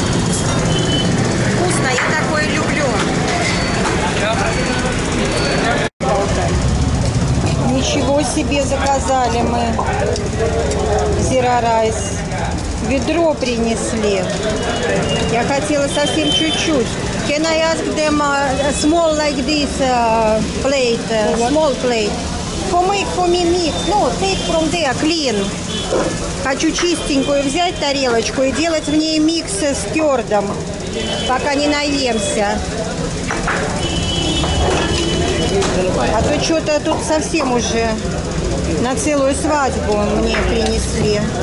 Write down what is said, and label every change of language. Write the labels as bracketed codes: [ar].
[ru] Вкусно, я такое люблю. Ничего себе заказали мы. [en] Zero rice. [ru] Ведро принесли. Я хотела совсем чуть-чуть. [en] Can I ask them small like this plate? Small plate. For me mix. No, take from there, clean. [ru] Хочу чистенькую взять тарелочку и делать в ней микс с кёрдом, пока не наемся. А то что-то тут совсем уже на целую свадьбу мне принесли.